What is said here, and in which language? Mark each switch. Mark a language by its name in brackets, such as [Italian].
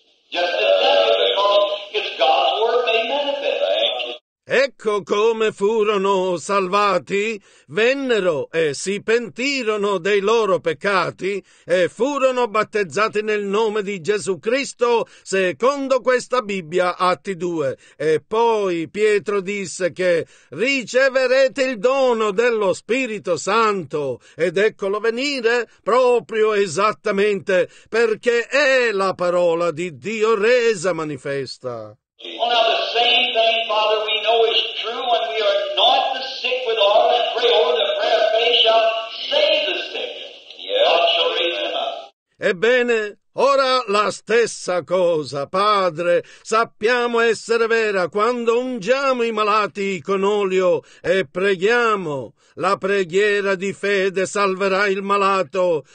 [English] Just as that, because it's God's word made manifest. [Italian] Ecco come furono salvati. Vennero e si pentirono dei loro peccati e furono battezzati nel nome di Gesù Cristo, secondo questa Bibbia, Atti 2. E poi Pietro disse che riceverete il dono dello Spirito Santo, ed eccolo venire proprio esattamente, perché è la parola di Dio resa manifesta. [English] Well, the same thing, Father, we know is true when we anoint the sick with oil and pray over the prayer of faith shall save the sick. God shall raise him up. [Italian] Ebbene, ora la stessa cosa, Padre, sappiamo essere vera quando ungiamo i malati con olio e preghiamo. La preghiera di fede salverà il malato.